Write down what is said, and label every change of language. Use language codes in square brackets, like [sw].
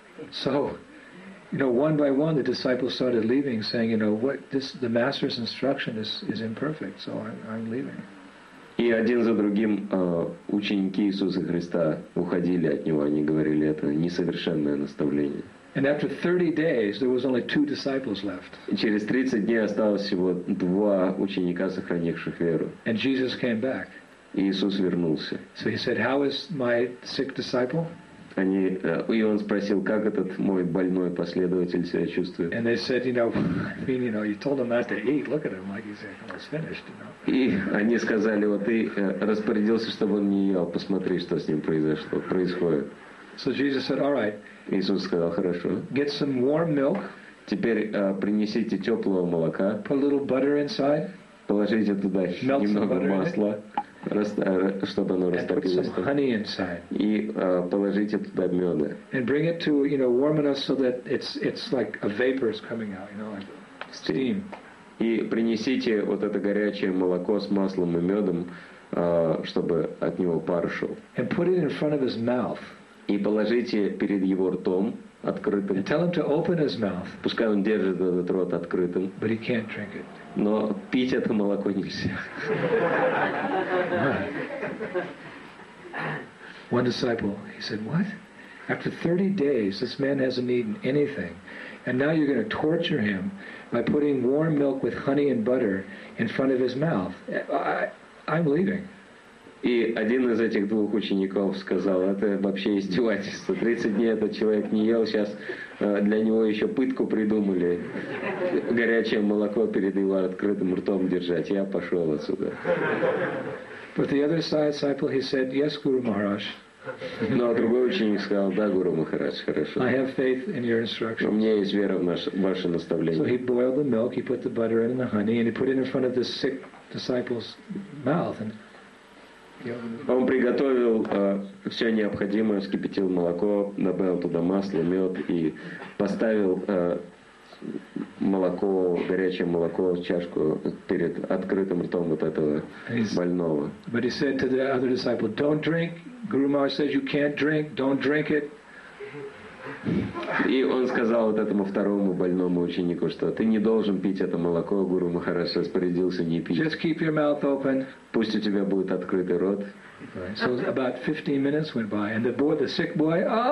[en] So, you know, one by one, the disciples started leaving, saying, you know, what this the master's instruction is imperfect, so I'm leaving. [ru] И один за другим ученики Иисуса Христа уходили от него, они говорили, это несовершенное наставление. [en] And after 30 days, there was only two disciples left. [ru] И через 30 дней осталось всего два ученика, сохранивших веру. [en] And Jesus came back. [ru] И Иисус вернулся. [en] So he said, how is my sick disciple? [ru] И он спросил, как этот мой больной последователь себя чувствует. [en] And they said, you know, I mean, you know, you told him not to eat. Look at him, like he's almost finished, you know. [ru] И они сказали, вот ты распорядился, чтобы он не ел. Посмотри, что с ним произошло, происходит. [en] So Jesus said, all right. [ru] Иисус сказал, хорошо. [en] Get some warm milk. [ru] Теперь принесите теплого молока. [en] Put a little butter inside. [ru] Положите туда немного масла, чтобы оно растопилось. [en] And put some honey inside. [ru] И положите туда меда. [en] And bring it to, you know, warm enough so that it's like a vapor is coming out, you know, like steam. [ru] И принесите вот это горячее молоко с маслом и медом, чтобы от него пар шел. [en] And put it in front of his mouth. [ru] И положите перед его ртом открытым. [en] And tell him to open his mouth. [ru] Пускай он держит этот рот открытым. [en] But he can't drink it. [ru] Но пить это молоко нельзя. [en] One disciple, he said, what? After 30 days, this man hasn't eaten anything, and now you're going to torture him by putting warm milk with honey and butter in front of his mouth. I'm leaving. [ru] И один из этих двух учеников сказал, это вообще издевательство. 30 дней этот человек не ел, сейчас для него еще пытку придумали. Горячее молоко перед его открытым ртом держать. Я пошел отсюда. [en] But the other disciple, he said, yes, Guru Maharaj. [ru] Ну, а другой ученик сказал, да, Гуру Махарадж, хорошо. [en] I have faith in your instructions. [ru] У меня есть вера в ваше наставление. [en] So he boiled the milk, he put the butter in and the honey, and he put it in front of the sick disciple's mouth. And [ru] он приготовил все необходимое, вскипятил молоко, добавил туда масло, мед и поставил молоко, горячее молоко в чашку перед открытым ртом вот этого больного. [en] But he said to the other disciple, don't drink. Guru Maharaj says you can't drink, don't drink it. [ru] И он сказал вот этому второму больному ученику, что ты не должен пить это молоко, Гуру Махараш распорядился не пить. [en] Just keep your mouth open. [ru] Пусть у тебя будет открытый рот. [en] Right. So about 15 minutes went by, and the boy, the sick boy,